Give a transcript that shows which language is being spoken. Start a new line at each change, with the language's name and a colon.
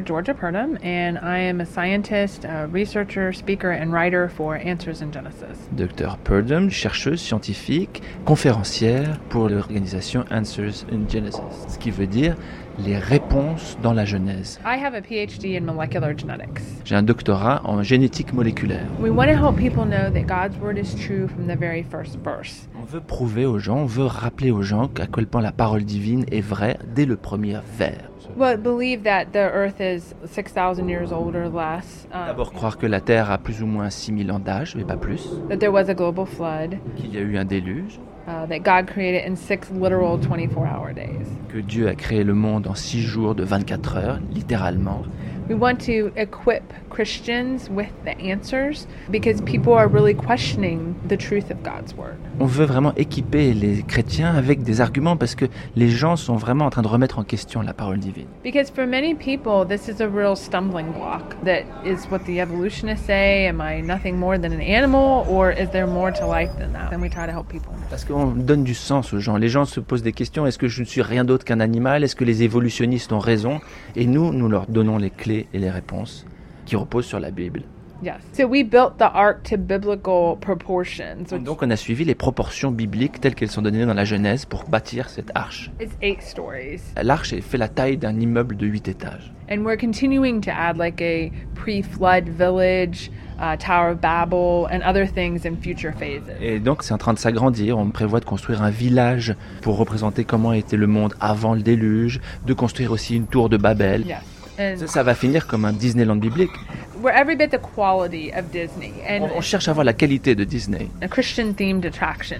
English: Georgia Purnham, and I am a scientist, a researcher, speaker, and writer for Answers in Genesis. Dr.
French: Purnham, chercheuse scientifique, conférencière pour l'organisation Answers in Genesis, ce qui veut dire les réponses dans la Genèse.
English: I have a PhD in molecular genetics.
French: J'ai un doctorat en génétique moléculaire.
English: We want to help people know that God's word is true from the very first verse.
French: On veut prouver aux gens, on veut rappeler aux gens à quel point la parole divine est vraie dès le premier vers.
English: Well, believe that the earth is 6,000 years old or less.
French: D'abord, croire que la Terre a plus ou moins 6,000 ans d'âge, mais pas plus.
English: That there was a global flood.
French: Qu'il y a eu un déluge.
English: That God created in six literal 24-hour days.
French: Que Dieu a créé le monde en 6 jours de 24 heures, littéralement.
English: We want to equip Christians with the answers because people are really questioning the truth of God's word.
French: On veut vraiment équiper les chrétiens avec des arguments parce que les gens sont vraiment en train de remettre en question la parole divine.
English: Because for many people, this is a real stumbling block. That is what the evolutionists say. Am I nothing more than an animal, or is there more to life than that? And we try to help people.
French: Parce qu'on donne du sens aux gens. Les gens se posent des questions. Est-ce que je ne suis rien d'autre qu'un animal? Est-ce que les évolutionnistes ont raison? Et nous, nous leur donnons les clés et les réponses qui reposent sur la Bible.
English: Yes. So we built the ark to biblical proportions. Which...
French: Donc on a suivi les proportions bibliques telles qu'elles sont données dans la Genèse pour bâtir cette arche.
English: It's 8 stories.
French: L'arche fait la taille d'un immeuble de 8 étages.
English: And we're continuing to add like a pre-flood village, Tower of Babel and other things in future phases.
French: Et donc c'est en train de s'agrandir, on prévoit de construire un village pour représenter comment était le monde avant le déluge, de construire aussi une tour de Babel.
English: Yes.
French: Ça va finir comme un Disneyland biblique.
English: We're every bit the quality of Disney.
French: And on cherche à voir la qualité de Disney.
English: A Christian-themed attraction.